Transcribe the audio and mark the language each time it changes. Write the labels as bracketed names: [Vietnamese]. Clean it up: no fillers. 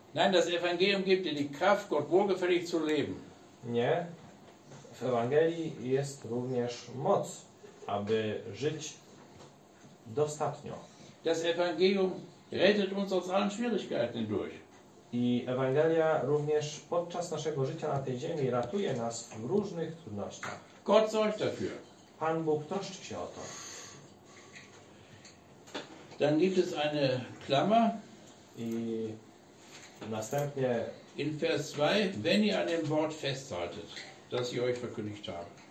[German] Nein, das Evangelium gibt dir die Kraft, Gott wohlgefällig zu leben. [Polish] Nie, w Ewangelii jest również moc, aby żyć dostatnio. [German] Das Evangelium rettet uns aus allen Schwierigkeiten durch. [Polish] I Ewangelia również podczas naszego życia na tej ziemi ratuje nas w różnych trudnościach. [German] Gott sorgt dafür. [Polish] Pan Bóg troszczy się o to. [German] Dann gibt es eine Klammer. [Polish] I następnie [German] in Vers 2, wenn ihr an dem Wort festhaltet, das ich euch verkündigt habe.